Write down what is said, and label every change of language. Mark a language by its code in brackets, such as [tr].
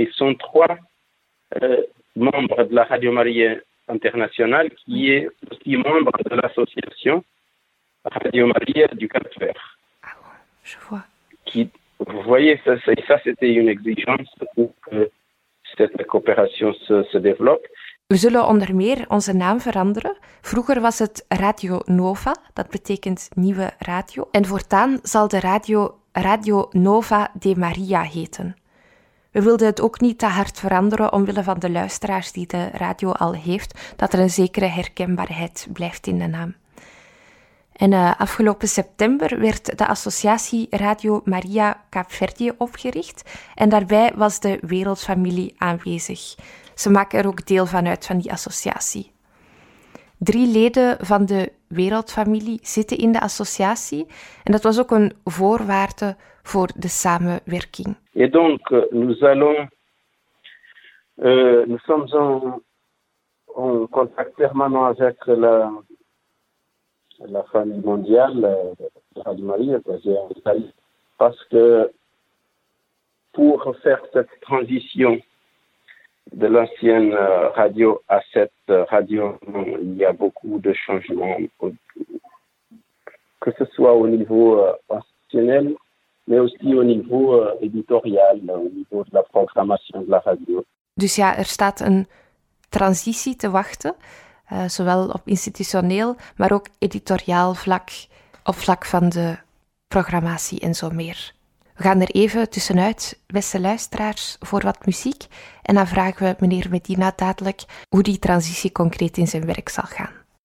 [fr] Ils sont trois membres de la Radio Maria international qui est aussi membre de l'association Radio Maria du Cap-Vert. Ah ouais, je vois. Qui, vous voyez, ça c'était une exigence pour que cette coopération se développe. [nl] We zullen onder meer onze naam veranderen. Vroeger was het Radio Nova, dat betekent nieuwe radio. En voortaan zal de radio Radio Nova de Maria heten. We wilden het ook niet te hard veranderen omwille van de luisteraars die de radio al heeft, dat er een zekere herkenbaarheid blijft in de naam. En afgelopen september werd de associatie Radio Maria Capverdi opgericht en daarbij was de wereldfamilie aanwezig. Ze maken er ook deel van uit van die associatie. Drie leden van de wereldfamilie zitten in de associatie en dat was ook een voorwaarde voor de samenwerking. [fr] Et donc, nous sommes en contact permanent avec la famille mondiale de Radio Maria, parce que pour faire cette transition de l'ancienne radio à cette radio, il y a beaucoup de changements, que ce soit au niveau institutionnel, mais aussi au niveau éditorial, au niveau de la programmation de la radio. [nl] Dus ja, er staat een transitie te wachten, zowel op institutioneel, maar ook editoriaal vlak, op vlak van de programmatie en zo meer. We gaan er even tussenuit, beste luisteraars, voor wat muziek, en dan vragen we meneer Medina dadelijk hoe die transitie concreet in zijn werk zal gaan.